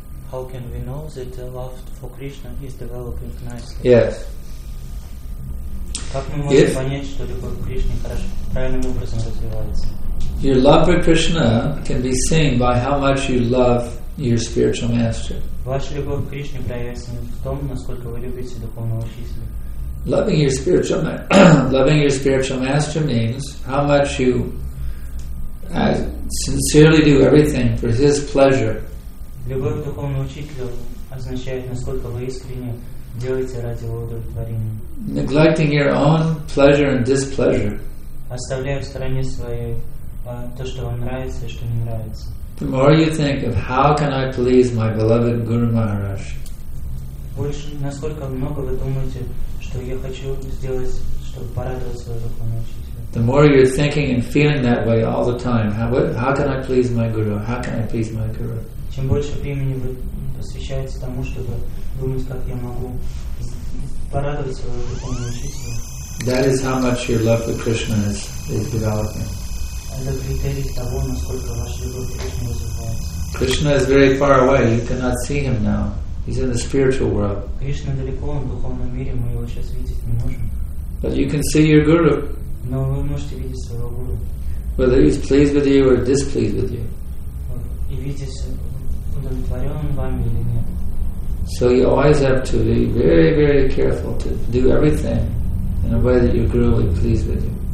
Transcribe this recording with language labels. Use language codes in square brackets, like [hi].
[en] How can we know that love for Krishna is developing nicely? Yes. [ru] Как мы можем понять, что любовь к Кришне правильным образом развивается? [en] Your love for Krishna can be seen by how much you love your spiritual master. [ru] Ваша любовь к Кришне проявляется в том, насколько вы любите духовного учителя. [en] Loving your spiritual master means how much you sincerely do everything for his pleasure. [ru] Любовь к духовному учителю означает, насколько вы искренне делайте ради удовлетворения. [en] Neglecting your own pleasure and displeasure. [ru] Оставляя в стороне свои то, что вам нравится и что не нравится. [en] The more you think of how can I please my beloved Guru Maharaj. [ru] Больше, насколько много вы думаете, что я хочу сделать, чтобы порадовать своего духовного учителя. [en] The more you're thinking and feeling that way all the time, how can I please my guru? How can I please my guru? [ru] Чем больше времени вы посвящаете тому, чтобы думать, как я могу порадовать своего духовного учителя. [en] That is how much your love for Krishna is developing. [ru] Это критерий того, насколько ваш любовь к Кришне развивается. [en] Krishna is very far away. You cannot see him now. He's in the spiritual world. [ru] Кришна далеко, он в духовном мире, мы его сейчас видеть не можем. [en] But you can see your guru. [ru] Но вы можете видеть своего гуру. [en] Whether he's pleased with you or displeased with you. [ru] И видеть, удовлетворен он вами или нет. [en] So you always have to be very, very careful to do everything in a way that your guru will be pleased with you.